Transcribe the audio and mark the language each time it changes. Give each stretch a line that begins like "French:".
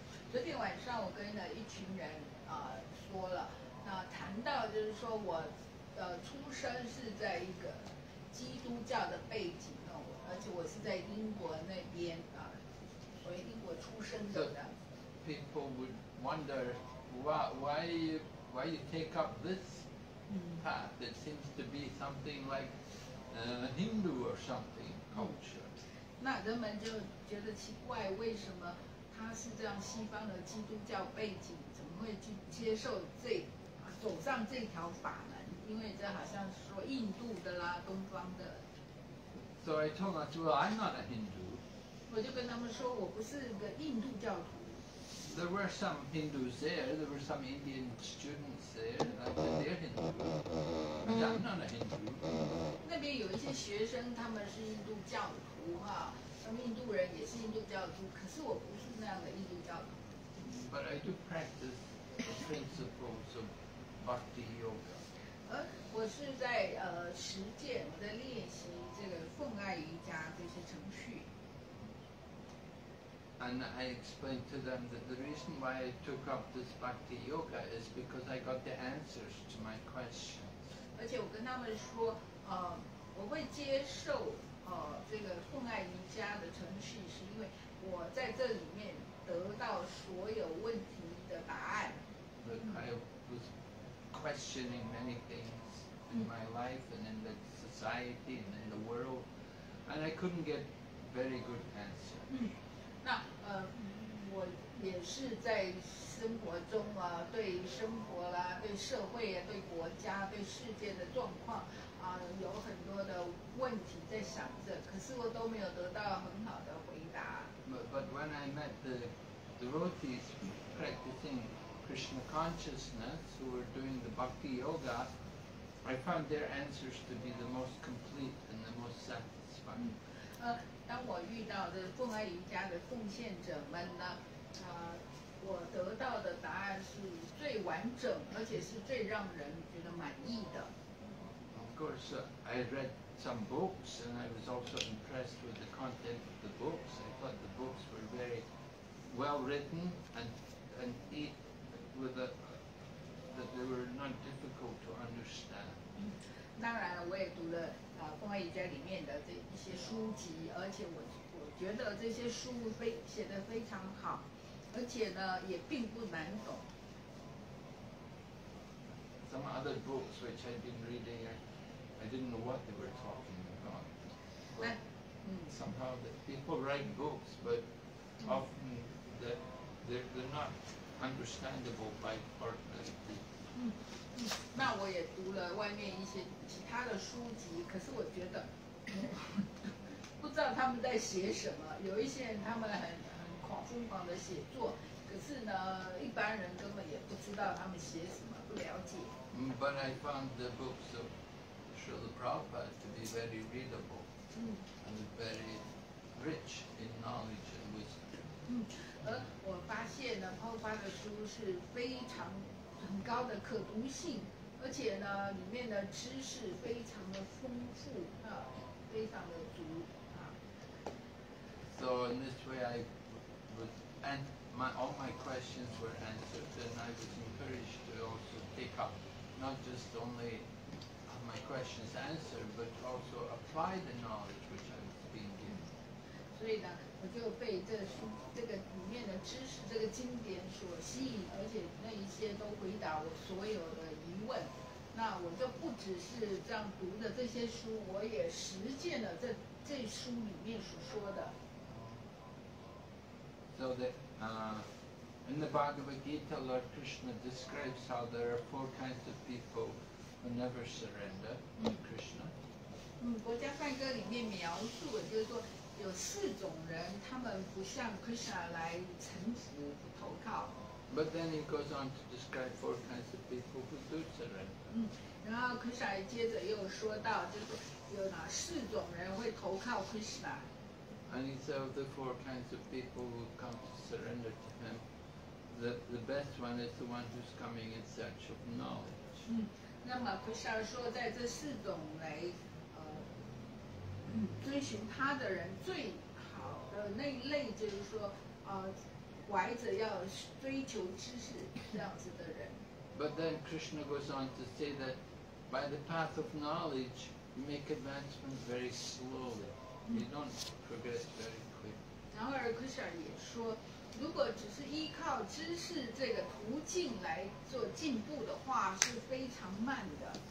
Chinese: 昨天晚上我跟一群人说了，那谈到就是说我的出生是在一个基督教的背景。而且我是在英国那边所以英国出生的。
English: So, people would wonder why you take up this path that seems to be something like Hindu or something culture.
Chinese: 那人们就觉得奇怪，为什么他是这样西方的基督教背景，怎么会去接受这走上这条法门？因为这好像是说印度的啦，东方的。
English: So I told them, well, I'm not a Hindu.
Chinese: 我就跟他们说，我不是个印度教徒。
English: there were some Hindus there, there were some Indian students there, and they're Hindu. But I'm not a Hindu.
Chinese: 那边有一些学生，他们是印度教徒哈，他们印度人也是印度教徒，可是我不是那样的印度教徒。
English: But I do practice the principles of Bhakti Yoga.
Chinese: 我是在实践，我在练习这个奉爱瑜伽这些程序。
English: And I explained to them that the reason why I took up this Bhakti Yoga is because I got the answers to my questions.
Chinese: 而且我跟他们说，我会接受这个奉爱瑜伽的程序，是因为我在这里面得到所有问题的答案。
English: But I was questioning many things in my life and in the society and in the world, and I couldn't get very good answers.
Chinese: 那我也是在生活中啊，对生活啦，对社会啊，对国家，对世界的状况啊，有很多的问题在想着，可是我都没有得到很好的回答。
English: But when I met the devotees practicing Krishna consciousness who were doing the Bhakti Yoga, I found their answers to be the most complete and the most satisfying.
Chinese: 当我遇到的奉爱瑜伽的奉献者们呢，我得到的答案是最完整，而且是最让人觉得满意的。
English: Of course, I read some books, and I was also impressed with the content of the books. I thought the books were very well written, and that they were not difficult to understand.
Chinese: 当然，我也读了奉爱瑜伽里面的这一些书籍，而且我觉得这些书写得非常好，而且呢也并不难懂。
English: Some other books which I've been reading, I didn't know what they were talking about. Somehow the people write books, but often they're not understandable by ordinary people.
Chinese: 那我也读了外面一些其他的书籍，可是我觉得不知道他们在写什么。有一些人他们很疯狂的写作，可是呢，一般人根本也不知道他们写什么，不了解。
English: But I found the books of Srila Prabhupada to be very readable and very rich in knowledge and wisdom.
Chinese: 而我发现呢，泡发的书是非常很高的可读性，而且呢，里面的知识非常的丰富啊，非常的足啊。
English: So in this way, I was and all my questions were answered, and I was encouraged to also take up not just only my questions answered, but also apply the knowledge which I was being given.
Chinese: 所以呢，我就被这书这个里面的知识这个经典所吸引，而且那一些都回答我所有的疑问。那我就不只是这样读的这些书，我也实践了这书里面所说的。
English: So that, in the Bhagavad Gita, Lord Krishna describes how there are four kinds of people who never surrender to Krishna.
Chinese: 国家梵歌里面描述的就是说，有四种人，他们不向 Krishna 来臣服，不投靠。
English: But then he goes on to describe four kinds of people who do surrender.
Chinese: 然后 Krishna 接着又说到，就是有哪四种人会投靠 Krishna。
English: And he said of the four kinds of people who come to surrender to him, the best one is the one who's coming in search of knowledge.
Chinese: 那么 Krishna 说，在这四种来追寻他的人最好的那一类，就是说怀着要追求知识这样子的人。
English: But then Krishna goes on to say that by the path of knowledge, you make advancement very slowly. You don't progress very quickly.
Chinese: 然而 Krishna 也说，如果只是依靠知识这个途径来做进步的话，是非常慢的。